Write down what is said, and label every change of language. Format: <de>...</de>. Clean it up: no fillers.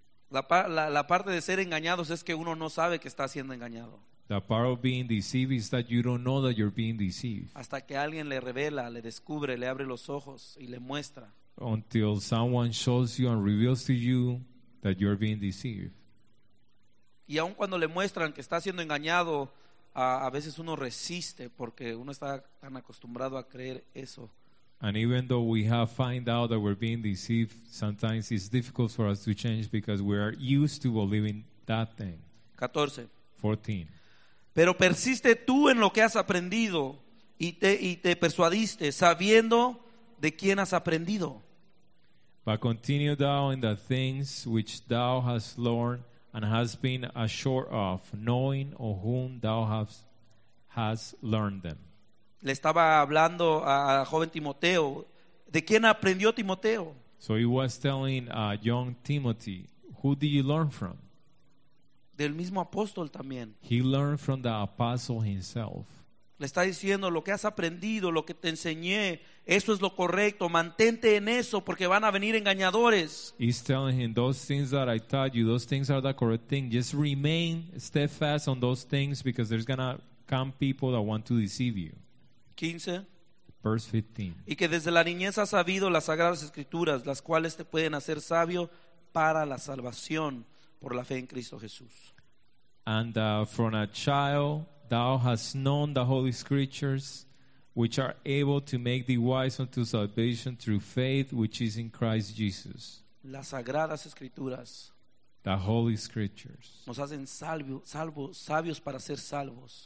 <es>La parte de ser engañados es que uno no sabe que está siendo engañado.</es> <en>The part of being deceived is that you don't know that you're being deceived.</en> <es>Hasta que alguien le revela, le descubre, le abre los ojos y le muestra.</es> <en>Until someone shows you and reveals to you that you're being deceived.</en> <es>Y aun cuando le muestran que está siendo engañado, a veces uno resiste porque uno está tan acostumbrado a creer eso.</es> <en>And even though we have found out that we're being deceived, sometimes it's difficult for us to change because we are used to believing that thing.</en> <es>14. Pero persiste tú en lo que has aprendido y te persuadiste, sabiendo de quién has aprendido.</es> <en>But continue thou in the things which thou hast learned and hast been assured of, knowing of whom thou hast learned them.</en> <es>Le estaba hablando a joven Timoteo. ¿De quién aprendió Timoteo?</es> <en>So he was telling young Timothy, who did you learn from?</en> <es>Del mismo apóstol también.</es> <en>He learned from the apostle himself.</en> <es>Le está diciendo lo que has aprendido, lo que te enseñé, eso es lo correcto. Mantente en eso porque van a venir engañadores.</es> <en>He's telling him those things that I taught you, those things are the correct thing. Just remain steadfast on those things because there's gonna come people that want to deceive you.</en> <es>15.</es> <en>Verse 15.</en> <es>Y que desde la niñez has sabido las sagradas escrituras, las cuales te pueden hacer sabio para la salvación por la fe en Cristo Jesús.</es> <en>And from a child thou hast known the holy scriptures, which are able to make thee wise unto salvation through faith which is in Christ Jesus.</en> <es>Las sagradas escrituras.</es> <en>The holy scriptures.</en> <es>Nos hacen sabios para ser salvos.</es>